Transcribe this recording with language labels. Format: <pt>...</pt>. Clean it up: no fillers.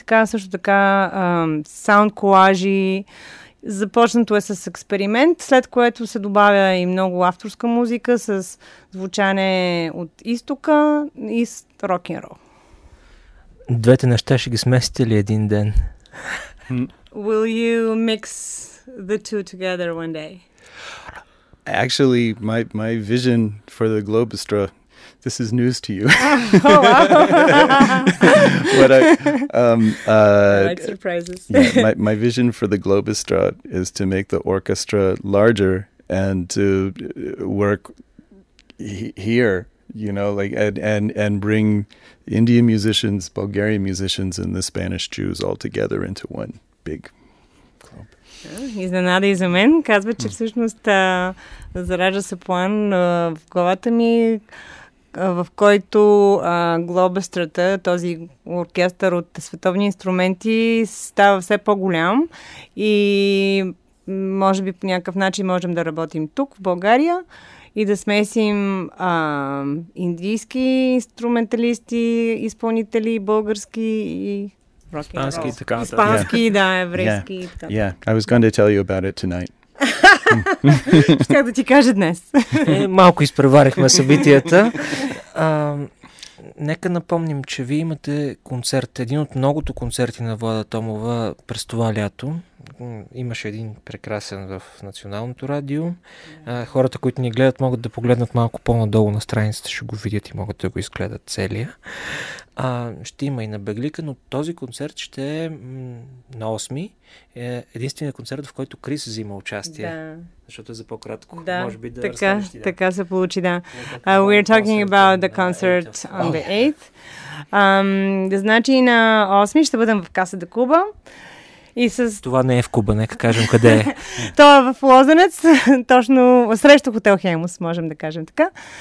<bg>Така също така саунд колажи. Започнато е с експеримент, след което се добавя и много авторска музика с звучане от изтока и с рок-н-рол. Двете неща ще ги смесите ли един ден?</bg> <en>Will you mix the two together one day? Actually, my vision for the Globestra, this is news to you. Oh, wow. I like surprises. Yeah, my vision for the Globestra is to make the orchestra larger and to work here, you know, like and bring Indian musicians, Bulgarian musicians, and the Spanish Jews all together into one big club.</en> <bg>Изненада и за мен. Казва, че всъщност заражда се план в главата ми, в който глобастрата, този оркестър от световни инструменти, става все по-голям и може би по някакъв начин можем да работим тук, в България, и да смесим индийски инструменталисти, изпълнители, български и... Испански, така. Испански, yeah. Да, еврейски.</bg> <en>Yeah. Yeah, I was going to tell you about it tonight.</en> <bg>Щях да ти кажа днес. Малко изпреварихме събитията. Нека напомним, че вие имате концерт, един от многото концерти на Влада Томова през това лято. Имаше един прекрасен в Националното радио. Хората, които ни гледат, могат да погледнат малко по-надолу на страницата, ще го видят и могат да го изгледат целия. Ще има и на Беглика, но този концерт ще е на 8-ми. Е единственият концерт, в който Крис взима участие. Да. Защото е за по-кратко. Да, може би да така, да. Така се получи, да.</bg> <en>We're talking about the concert on the 8th.</en> <bg>Значи на 8-ми ще бъдем в Каса де Куба. И с... Това не е в Куба, нека кажем къде е. То е в Лозенец, точно срещу хотел Хемус, можем да кажем така.</bg>